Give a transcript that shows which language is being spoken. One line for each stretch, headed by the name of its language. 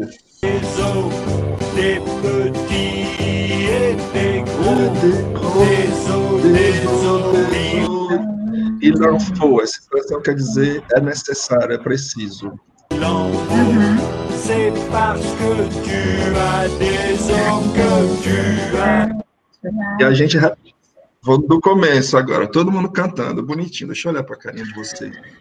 French: Des os, des petits et des gros. Des os, des os. Il en faut.
Portuguese: Essa expressão quer dizer é necessário, é preciso.
French: C'est parce que tu as des os que tu as.
Portuguese: E a gente. Vou do começo agora, todo mundo cantando, bonitinho. Deixa eu olhar para a carinha de vocês.